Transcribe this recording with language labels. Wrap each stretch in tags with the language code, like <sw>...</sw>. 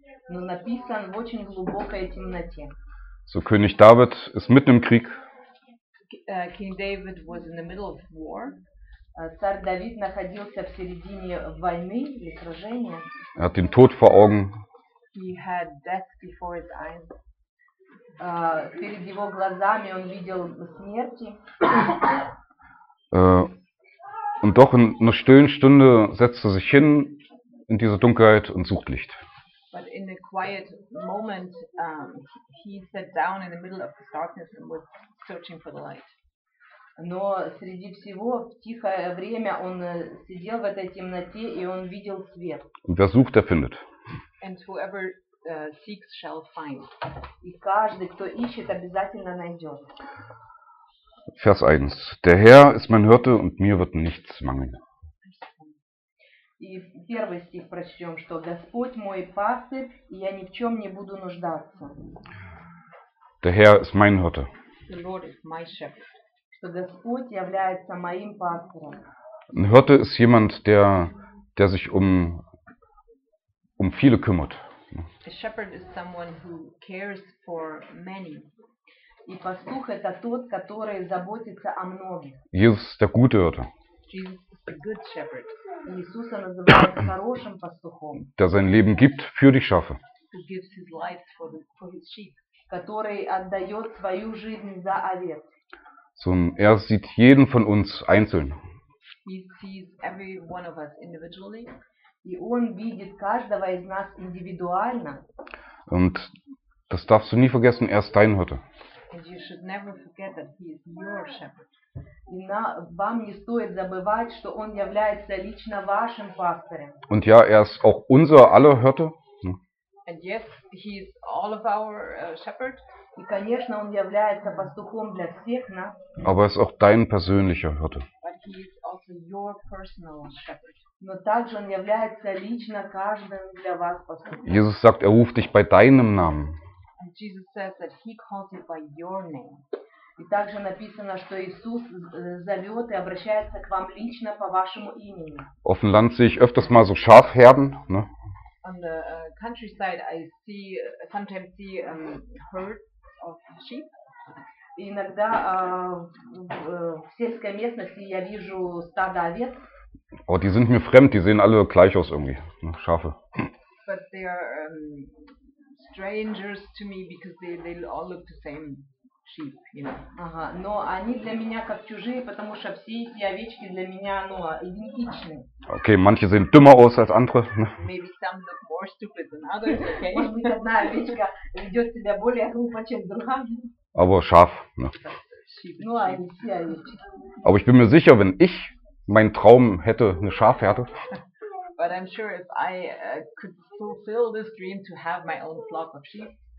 <ru>Но написан в очень глубокой темноте.</ru> <de>So König David ist mitten im Krieg.</de> <en>King David was in the middle of war.</en> <ru>Царь Давид находился в середине войны или сражения.</ru> <de>Er hat den Tod vor Augen.</de> <en>He had death before his eyes.</en> <ru>Перед его глазами он видел смерти.</ru> <de>Und doch in einer stillen Stunde setzt er sich hin in dieser Dunkelheit und sucht Licht.</de> <en>But in a quiet moment he sat down in the middle of the darkness and was searching for the light.</en> <ru>Но среди всего в тихое время он сидел в этой темноте и он видел свет.</ru> <de>Und wer sucht, der findet.</de> <en>And whoever seeks shall find.</en> <ru>И каждый, кто ищет, обязательно найдет.</ru> <de>Vers 1. Der Herr ist mein Hirte und mir wird nichts mangeln.</de> <ru>И первый стих прочтем, что Господь мой пастырь, и я ни в чем не буду нуждаться.</ru> <de>Der Herr ist mein Hirte.</de> <en>The Lord is my shepherd.</en> <ru>Что Господь является моим пастырем.</ru> <de>Ein Hirte ist jemand, der sich um viele kümmert.</de> <en>A shepherd is someone who cares for many.</en> <ru>И пастух это тот, который заботится о многих.</ru> <de>Jesus ist der gute Hirte.</de> <en>Jesus is the good shepherd.</en> <ru>Иисуса называют хорошим пастухом.</ru> <de>Der sein Leben gibt für die Schafe.</de> <en>Who gives his life for his sheep.</en> <ru>Который отдает свою жизнь за овец.</ru> <de>So, er sieht jeden von uns einzeln.</de> <en>He sees every one of us individually.</en> <ru>И он видит каждого из нас индивидуально.</ru> <de>Und das darfst du nie vergessen, er ist dein Hirte.</de> <en>And you should never forget that he is your shepherd.</en> <ru>Вам не стоит забывать, что он является лично вашим пастырем.</ru> <de>Und ja, er ist auch unser aller Hirte.</de> <en>And yes, he is all of our shepherd.</en> <ru>И, конечно, он является пастухом для всех нас.</ru> <de>Aber er ist auch dein persönlicher Hirte.</de> <en>But he is also your personal shepherd.</en> <ru>Но также он является лично каждым для вас пастухом.</ru> <de>Jesus sagt, er ruft dich bei deinem Namen.</de> <en>And Jesus says that he calls you by your name.</en> <ru>И также написано, что Иисус зовет и обращается к вам лично по вашему имени.</ru> <de>Auf dem Land sehe ich öfters mal so Schafherden, ne?</de> <en>On the countryside I see sometimes see herds.</en> <ru>Иногда в сельской местности я вижу стадо овец.</ru> <de>Oh, die sind mir fremd, die sehen alle gleich aus irgendwie, ne? Schafe.</de> <en>But they are strangers to me because they all look the same sheep, you know. Ага,</en> <ru>но они для меня как чужие, потому что все эти овечки для меня, ну, идентичны.</ru> <de>Okay, manche sehen dümmer aus als andere, ne?</de> <en>Maybe some look more stupid than others, okay?</en> <ru>Может быть, одна овечка ведет себя более глупо, чем другая.</ru> <de>Aber Schaf, ne?</de> <ru>Ну, а не все овечки.</ru> <de>Aber ich bin mir sicher, wenn ich meinen Traum hätte, eine Schafherde.</de> <en>But I'm sure if I could fulfill this dream to have my own flock of sheep.</en>